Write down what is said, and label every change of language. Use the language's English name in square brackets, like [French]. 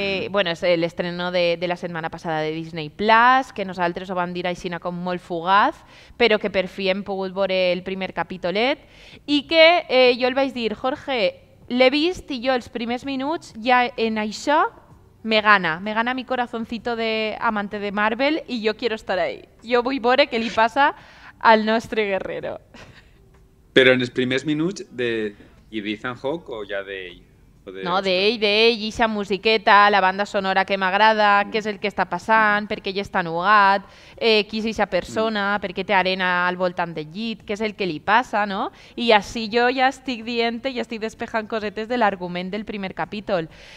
[Catalan] Bueno, és l'estreno de la setmana passada de Disney Plus, que nosaltres ho vam dir així com molt fugaz, però que per fi hem pogut veure el primer capítolet, i que jo el vaig dir, Jorge, l'he vist i jo els primers minuts ja en això... [Spanish] Me gana mi corazoncito de amante de Marvel y yo quiero estar ahí. Yo voy a ver qué le pasa al nuestro guerrero. Pero en los primeros minutos [Catalan] I d'Ethan Hawke o ja d'ell? No, d'ell, d'ell, i sa musiqueta, la banda sonora que m'agrada, què és el que està passant, per què ell està nugat, qui és aquesta persona, per què té arena al voltant del llit, què és el que li passa, no? I així jo ja estic dient-te, ja estic despejant cosetes de l'argument del primer capítol.